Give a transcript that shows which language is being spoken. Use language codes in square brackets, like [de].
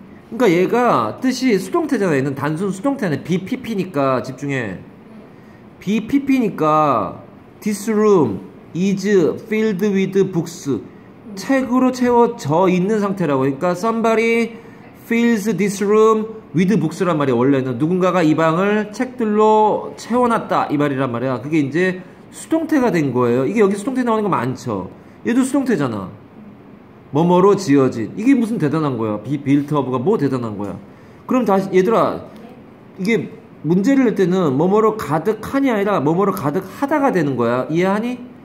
[ko] 그러니까 얘가 뜻이 수동태잖아. 얘는 단순 수동태네. BPP니까 집중해. BPP니까 [en] this room is filled with books. [ko] 책으로 채워져 있는 상태라고. 그러니까 [en] somebody fills this room with books란 말이야. [ko] 원래는 누군가가 이 방을 책들로 채워놨다 이 말이란 말이야. 그게 이제 수동태가 된 거예요. 이게 여기 수동태 나오는 거 많죠. 얘도 수동태잖아. 뭐뭐로 지어진. 이게 무슨 대단한 거야. 비 빌트 오브가 뭐 대단한 거야. 그럼 다시 얘들아, 이게 문제를 낼 때는 뭐뭐로 가득하니 아니라 뭐뭐로 가득하다가 되는 거야. 이해하니?